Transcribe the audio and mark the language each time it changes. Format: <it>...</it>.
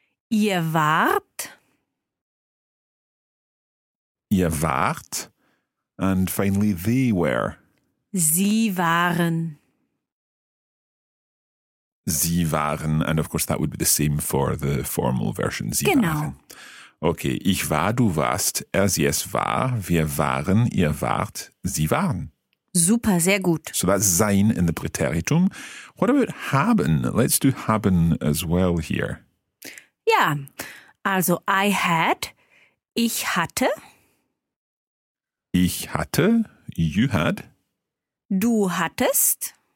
<de>Ihr wart. Ihr wart.</de> <en>And finally they were.</en> <de>Sie waren. Sie waren,</de> <en>and of course that would be the same for the formal version.</en> <de>Sie genau. Waren. Okay, ich war, du warst, er, sie, es war, wir waren, ihr wart, sie waren. Super, sehr gut.</de> <en>So that's sein in the Präteritum. What about haben? Let's do haben as well here.</en> <de>Ja, also</de> <en>I had,</en> <de>ich hatte. Ich hatte,</de> <en>you had.</en> <de>Du hattest.</de>